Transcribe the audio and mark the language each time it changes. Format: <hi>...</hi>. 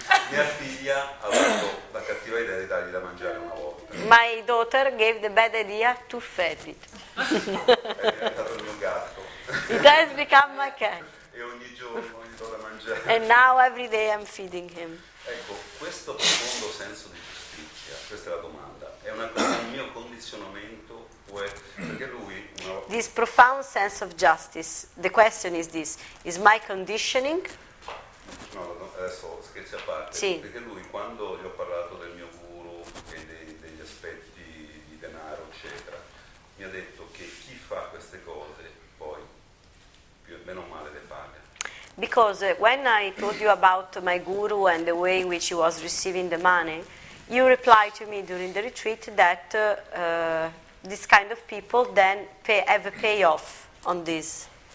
<it>Mia figlia ha avuto la cattiva idea di dargli da mangiare una volta.</it> <en>My daughter gave the bad idea to feed it. It has become my cat.</en> <it>E ogni giorno gli do da mangiare.</it> <en>And now every day I'm feeding him.</en> <it>Ecco, questo profondo senso di giustizia, questa è la domanda, è una cosa del mio condizionamento, perché lui...</it> <en>This profound sense of justice, the question is this, is my conditioning?</en> <it>No, adesso scherzi a parte, sì. Perché lui quando gli ho parlato del mio guru e degli aspetti di denaro, eccetera, mi ha detto che chi fa queste cose poi, più o meno male, le paga.</it> <en>Because when I told you about my guru and the way in which he was receiving the money, you replied to me during the retreat that this kind of people then have a payoff on this.</en>